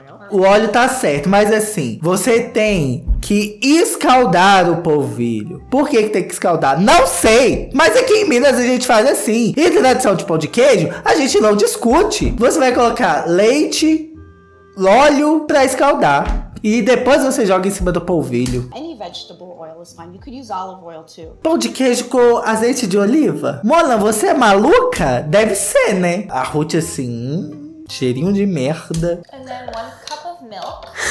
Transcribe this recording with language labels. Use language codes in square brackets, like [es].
[pt] O óleo tá certo, mas assim, você tem que escaldar o polvilho. Por que que tem que escaldar? Não sei, mas aqui em Minas a gente faz assim. E tradição de pão de queijo, a gente não discute. Você vai colocar leite, óleo pra escaldar. E depois você joga em cima do polvilho. [en] Any vegetable oil is fine. You could use olive oil too. [pt] Pão de queijo com azeite de oliva? Mona, você é maluca? Deve ser, né? A Ruth assim, cheirinho de merda. [en] And then one cup of milk.